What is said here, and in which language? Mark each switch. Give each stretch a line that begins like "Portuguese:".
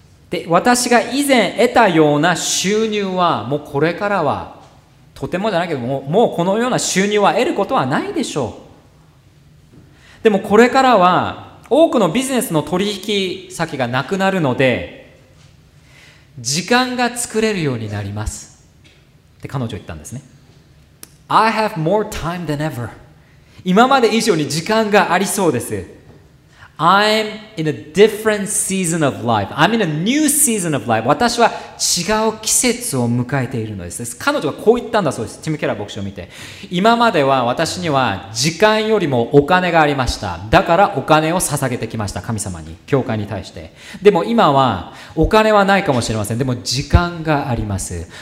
Japanese: で、私が以前得たような収入はもうこれからはとてもじゃないけど、もうこのような収入は得ることはないでしょう。でもこれからは多くのビジネスの取引先がなくなるので、時間が作れるようになりますって彼女は言ったんですね。
English: I have more time than ever.
Japanese: 今まで以上に時間がありそうです。
English: I'm in a different season of life. I'm in a new season of life.
Japanese: 私は違う季節を迎えているのです。彼女はこう言ったんだそうです。ティム・ケラー牧師を見て、今までは私には時間よりもお金がありました。だからお金を捧げてきました、神様に、教会に対して。でも今はお金はないかもしれません、でも時間があります。